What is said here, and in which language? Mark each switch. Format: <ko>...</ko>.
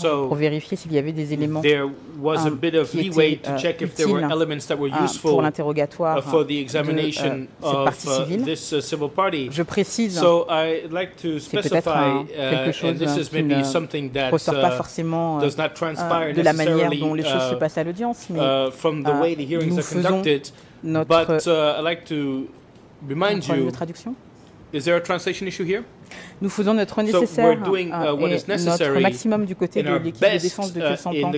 <en>so there was a bit of leeway to check if there were elements that were useful for the examination of this civil party.</en> <fr>Je précise,</fr> <en>so I'd like to specify, and this is maybe something that does not transpire</en> <fr>de la manière dont les choses se passent à l'audience, mais,</fr> <en>from the way the hearings are conducted, but I'd like to remind you, is there a translation issue here?</en> <fr>Nous faisons notre nécessaire et notre maximum du côté de l'équipe de défense de</fr>